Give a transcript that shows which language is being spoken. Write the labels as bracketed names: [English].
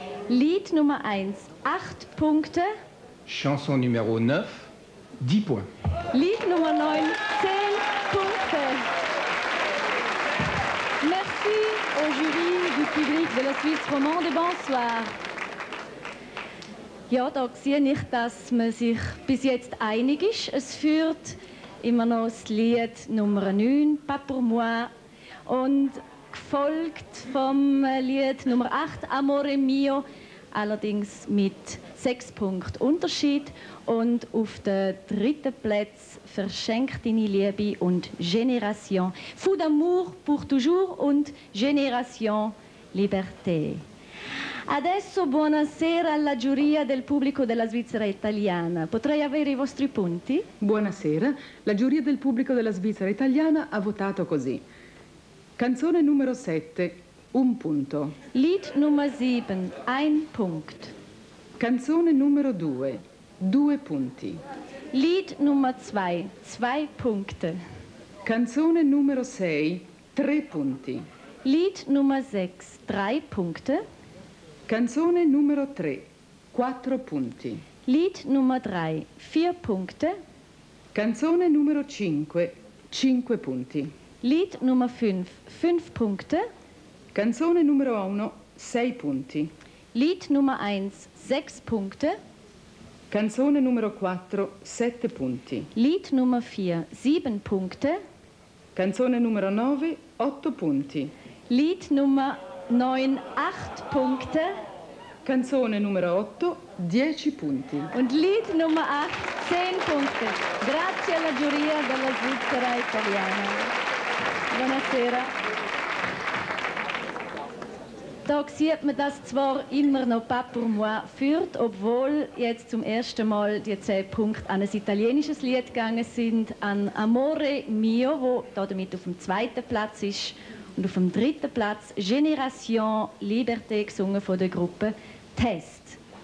[German] Lied Nummer 1, 8 Punkte. [French] Chanson numéro 9, 10 points. [German] Lied Nummer 9, 10 Punkte. [French] Merci au jury du public de la Suisse romande. Bonsoir. [German] Ja, da sehe ich, dass man sich bis jetzt einig ist. Es führt immer noch das Lied Nummer 9, Pas pour moi. Und gefolgt vom Lied Nummer 8, Amore mio. Allerdings mit 6 Punkten Unterschied. Und auf den dritten Platz verschenkt deine Liebe und Génération. Fou d'amour pour toujours und Génération Liberté. [Italian] Adesso buonasera alla giuria del pubblico della Svizzera italiana. Potrei avere i vostri punti? Buonasera. La giuria del pubblico della Svizzera italiana ha votato così. Canzone numero 7, un punto. [German] Lied Nummer 7, ein Punkt. [Italian] Canzone numero 2, due punti. [German] Lied Nummer 2, zwei Punkte. [Italian] Canzone numero 6, tre punti. [German] Lied Nummer 6, drei Punkte. [Italian] Canzone numero 3, 4 punti. [German] Lied Nummer 3, 4 Punkte. [Italian] Canzone numero 5, 5 punti. [German] Lied Nummer 5, 5 Punkte. [Italian] Canzone numero 1, 6 punti. [German] Lied Nummer 1, 6 Punkte. [Italian] Canzone numero 4, 7 punti. [German] Lied Nummer 4, 7 Punkte. [Italian] Canzone numero 9, 8 punti. [German] Lied Nummer 9, 8 Punkte. [Italian] Canzone numero 8, 10 punti. [German] Und Lied Nummer 8, 10 Punkte. [Italian] Grazie alla giuria della Svizzera italiana. Buonasera. [German] Da sieht man, dass zwar immer noch Pas pour moi führt, obwohl jetzt zum ersten Mal die 10 Punkte an ein italienisches Lied gegangen sind, an Amore mio, wo damit auf dem zweiten Platz ist. Und auf dem dritten Platz Génération Liberté, gesungen von der Gruppe Test.